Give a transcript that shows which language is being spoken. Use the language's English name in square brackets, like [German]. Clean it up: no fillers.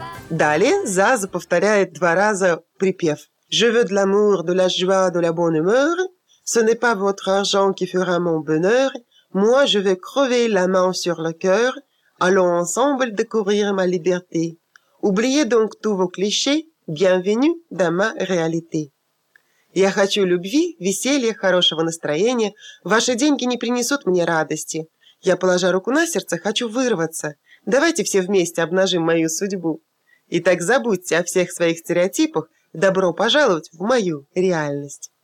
[Russian] Далее Заза повторяет два раза припев. [French] «Je veux de l'amour, de la joie, de la bonne humeur. Ce n'est pas votre argent qui fera mon bonheur. Moi, je vais crever la main sur le cœur. Allons ensemble découvrir ma liberté. Oubliez donc tous vos clichés. Bienvenue dans ma réalité. [Russian] Я хочу любви, веселья, хорошего настроения. Ваши деньги не принесут мне радости. Я, положа руку на сердце, хочу вырваться. Давайте все вместе обнажим мою судьбу. Итак, забудьте о всех своих стереотипах. Добро пожаловать в мою реальность».